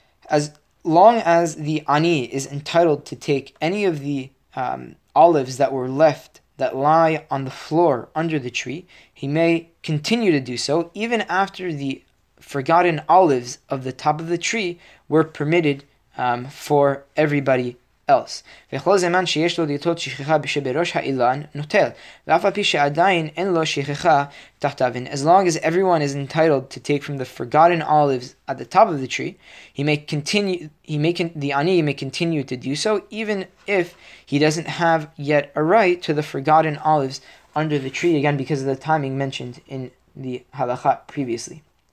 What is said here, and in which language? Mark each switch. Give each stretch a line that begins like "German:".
English: As long as the ani is entitled to take any of the olives that were left that lie on the floor under the tree, he may continue to do so even after the forgotten olives of the top of the tree were permitted for everybody else.
Hebrew: וכל זמן שיש לו ליטול שכחה שבראש האילן נוטל, ואף על פי שעדיין אין לו שכחה תחתיו.
English: And as long as everyone is entitled to take from the forgotten olives at the top of the tree, the ani may continue to do so, even if he doesn't have yet a right to the forgotten olives under the tree, again because of the timing mentioned in the halacha previously.